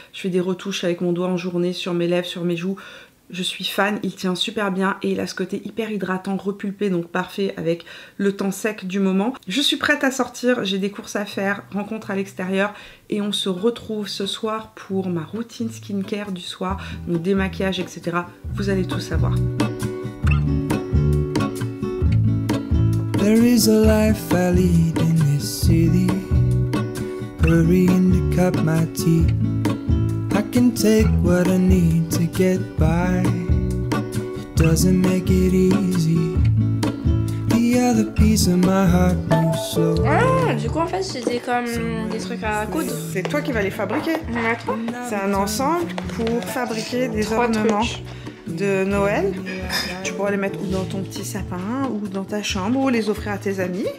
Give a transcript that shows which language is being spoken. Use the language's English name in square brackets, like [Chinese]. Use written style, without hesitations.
[French] Je fais des retouches avec mon doigt en journée sur mes lèvres, sur mes joues. Je suis fan, il tient super bien et il a ce côté hyper hydratant, repulpé, donc parfait avec le temps sec du moment. Je suis prête à sortir, j'ai des courses à faire, rencontres à l'extérieur et on se retrouve ce soir pour ma routine skincare du soir, donc démaquillage, etc. Vous allez tout savoir. [English] There is a life I lead in this city, hurrying to cut my teeth. I can take what I need to get by. It doesn't make it easy. The other piece of my heart moves so. [French] Ah, du coup, en fait, c'était comme des trucs à coudre. C'est toi qui vas les fabriquer. Mm-hmm. C'est un ensemble pour fabriquer des ornements de Noël. Tu pourras les mettre ou dans ton petit sapin, ou dans ta chambre, ou les offrir à tes amis.